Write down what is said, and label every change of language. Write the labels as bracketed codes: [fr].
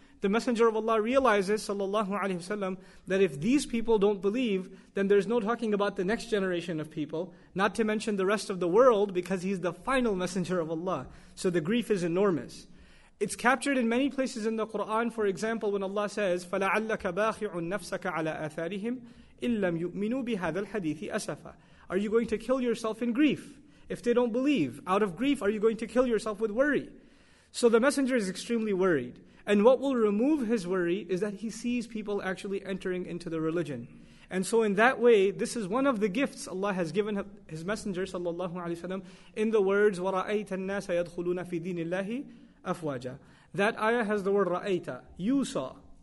[en] The Messenger of Allah realizes, sallallahu alaihi wasallam, that if these people don't believe, then there's no talking about the next generation of people, not to mention the rest of the world, because he's the final Messenger of Allah. So the grief is enormous. It's captured in many places in the Quran. For example, when Allah says, [ar] فَلَعَلَّكَ بَاخِعٌ نَفْسَكَ عَلَىٰ أَثَارِهِمْ إِن لَّمْ يُؤْمِنُوا بِهَذَا الْحَدِيثِ أَسَفًا. [en] Are you going to kill yourself in grief? If they don't believe, out of grief, are you going to kill yourself with worry? So the Messenger is extremely worried. And what will remove his worry is that he sees people actually entering into the religion. And so in that way, this is one of the gifts Allah has given his Messenger sallallahu alaihi wasallam in the words, [ar] وَرَأَيْتَ النَّاسَ يَدْخُلُونَ فِي دِينِ اللَّهِ أَفْوَاجًا. [en] That ayah has the word رَأَيْتَ, you saw.